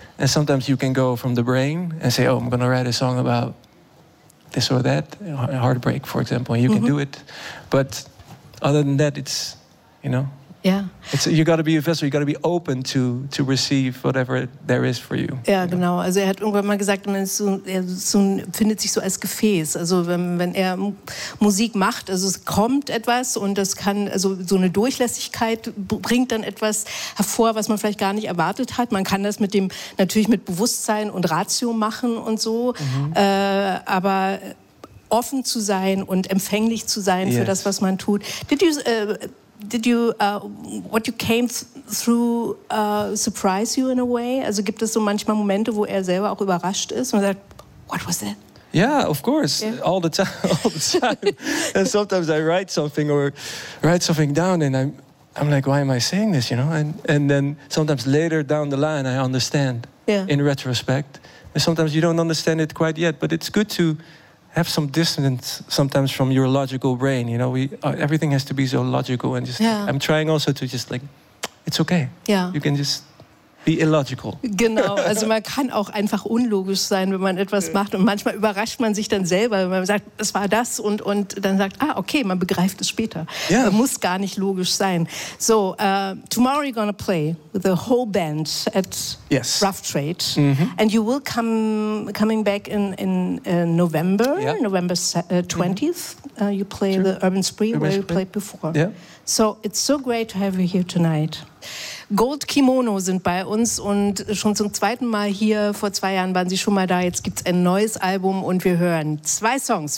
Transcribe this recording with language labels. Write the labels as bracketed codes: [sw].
[en] And sometimes you can go from the brain and say, oh, I'm going to write a song about this or that, heartbreak, for example, and you can do it. But other than that, it's, you know, you got to be a vessel, you got to be open to receive whatever there is for you. [de] Ja, genau. Also er hat irgendwann mal gesagt, er findet sich so als Gefäß. Also wenn er Musik macht, also es kommt etwas und das kann, also so eine Durchlässigkeit bringt dann etwas hervor, was man vielleicht gar nicht erwartet hat. Man kann das natürlich mit Bewusstsein und Ratio machen und so. Mhm. Aber offen zu sein und empfänglich zu sein für das, was man tut. [en] Did you did you, what you came through surprise you in a way? [de] Also gibt es so manchmal Momente, wo er selber auch überrascht ist und sagt, [en] what was that? Yeah, of course, yeah. All the time. And sometimes I write something down and I'm like, why am I saying this, you know? And then sometimes later down the line, I understand in retrospect. And sometimes you don't understand it quite yet, but it's good to have some distance sometimes from your logical brain, you know? Everything has to be so logical and just, I'm trying also to just like, it's okay. Yeah. You can just be illogical. [de] Genau, also man kann auch einfach unlogisch sein, wenn man etwas macht und manchmal überrascht man sich dann selber, wenn man sagt, es war das und dann sagt, ah, okay, man begreift es später. [en] Yeah. [de] Man muss gar nicht logisch sein. [en] So, tomorrow you're gonna play with the whole band at Rough Trade. Mm-hmm. And you will coming back in November, November 20th, mm-hmm. You play the Urban Spree, you played before. Yeah. So, it's so great to have you here tonight. [de] Gold Kimono sind bei uns und schon zum zweiten Mal hier. Vor 2 Jahren waren sie schon mal da. Jetzt gibt's ein neues Album und wir hören 2 Songs.